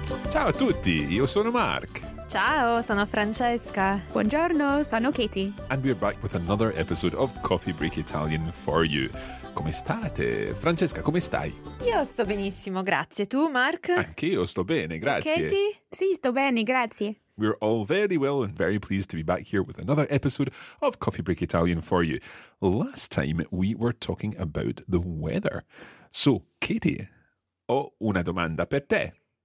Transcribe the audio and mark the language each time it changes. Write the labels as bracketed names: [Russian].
[Italian] Ciao a tutti, io sono Mark. Ciao, sono Francesca. Buongiorno, sono Katie. [English] And we're back with another episode of Coffee Break Italian for you. [Italian] Come state? Francesca, come stai? Io sto benissimo, grazie. Tu, Mark? Anch'io sto bene, grazie. Katie? Sì, sto bene, grazie. [English] We're all very well and very pleased to be back here with another episode of Coffee Break Italian for you. Last time we were talking about the weather. [Italian] So, Katie, ho una domanda per te.